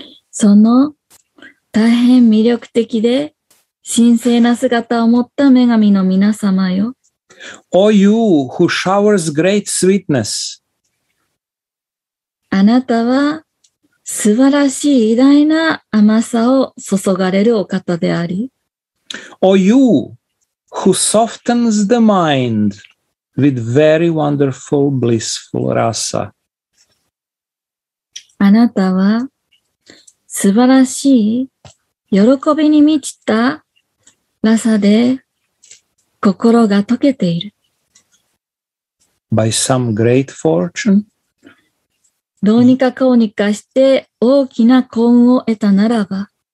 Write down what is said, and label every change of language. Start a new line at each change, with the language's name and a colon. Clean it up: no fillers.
Japanese: その大変魅力的で神聖な姿を持った女神の皆様よ。
English: O you who showers great sweetness.
Japanese: あなたは素晴らしい偉大な甘さを注がれるお方であり。
English: O youwho softens the mind with very wonderful blissful rasa.
Japanese: あなたは素晴らしい喜びに満ちたラサで心が溶けている。
English: By some great fortune?
Japanese: どうにかこうにかして大きな幸運を得たならば、